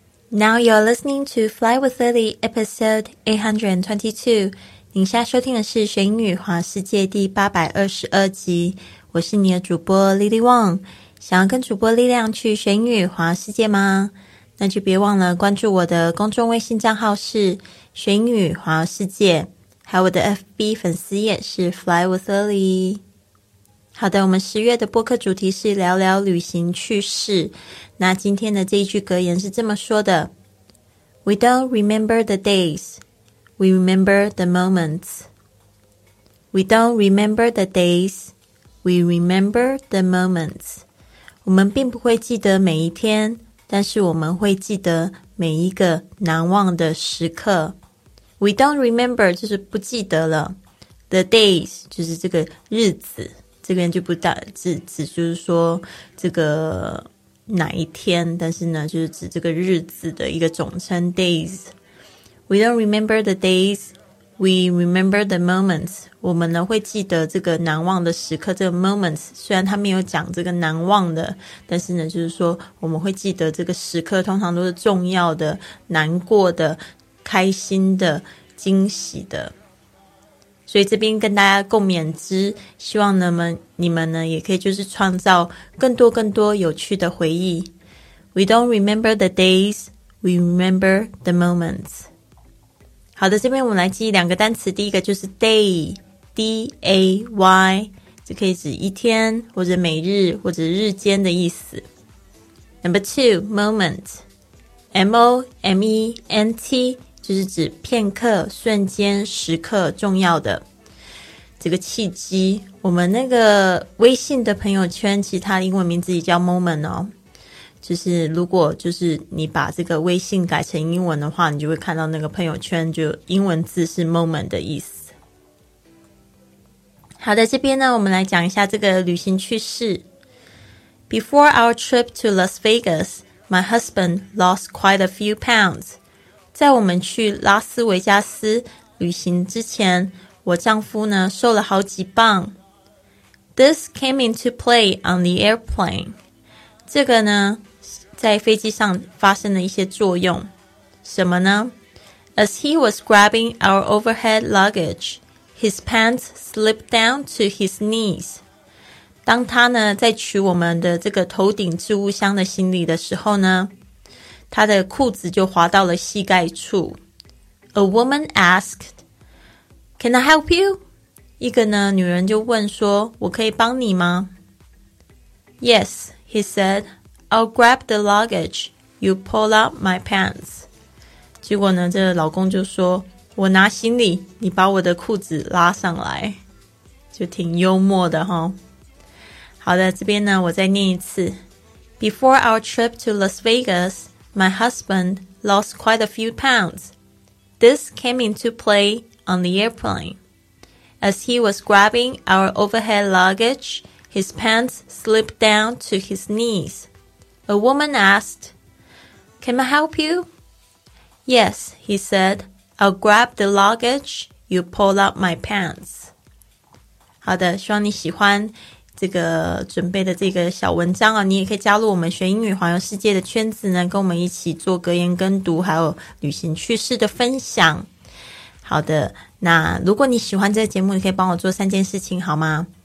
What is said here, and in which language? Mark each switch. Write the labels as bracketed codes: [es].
[en] Now you're listening to Fly with Lily, episode 822. [zh] 您现在收听的是《学英语环世界》第822集。我是你的主播 Lily Wong。想要跟主播力量去学英语环世界吗？那就别忘了关注我的公众微信账号是《学英语环世界》，还有我的 FB 粉丝页是 Fly with Lily。好的，我们10月的播客主题是聊聊旅行趣事。那今天的这一句格言是这么说的 [en] We don't remember the days, we remember the moments. We don't remember the days, we remember the moments. [zh] 我们并不会记得每一天，但是我们会记得每一个难忘的时刻。 [en] We don't remember [zh] 就是不记得了， [en] The days [zh] 就是这个日子，这边就不大指就是说这个哪一天，但是呢就是指这个日子的一个总称 days. [en] We don't remember the days, we remember the moments. [zh] 我们呢会记得这个难忘的时刻，这个 moments 虽然他没有讲这个难忘的，但是呢就是说我们会记得这个时刻，通常都是重要的、难过的、开心的、惊喜的。所以这边跟大家共勉之，希望你们呢也可以就是创造更多更多有趣的回忆。 [en] We don't remember the days, we remember the moments. [zh] 好的，这边我们来记两个单词。第一个就是 day, D-A-Y, 这可以指一天或者每日或者日间的意思。 [en] Number two, [zh] moment, M-O-M-E-N-T,就是指片刻、瞬间、时刻重要的这个契机。我们那个微信的朋友圈其实它的英文名字也叫 moment 哦，就是如果就是你把这个微信改成英文的话，你就会看到那个朋友圈就英文字是 moment 的意思。好的，这边呢我们来讲一下这个旅行趣事。 [en] Before our trip to Las Vegas, my husband lost quite a few pounds. [zh] 在我们去拉斯维加斯旅行之前，我丈夫呢瘦了好几磅。 [en] This came into play on the airplane. [zh] 这个呢，在飞机上发生了一些作用。什么呢？ [en] As he was grabbing our overhead luggage, his pants slipped down to his knees. [zh] 当他呢在取我们的这个头顶置物箱的行李的时候呢，他的裤子就滑到了膝盖处。 [en] A woman asked, Can I help you? [zh] 一个呢女人就问说，我可以帮你吗？ [en] Yes, he said, I'll grab the luggage, you pull up my pants. [zh] 结果呢这个老公就说，我拿行李，你把我的裤子拉上来。就挺幽默的齁。好的，这边呢我再念一次。 [en] Before our trip to Las Vegas,My husband lost quite a few pounds. This came into play on the airplane. As he was grabbing our overhead luggage, his pants slipped down to his knees. A woman asked, Can I help you? Yes, he said, I'll grab the luggage, you pull up my pants. [zh] 好的，希望你喜欢这个准备的这个小文章啊，你也可以加入我们学英语环游世界的圈子呢，跟我们一起做格言跟读还有旅行趣事的分享。好的，那如果你喜欢这个节目，你可以帮我做三件事情好吗？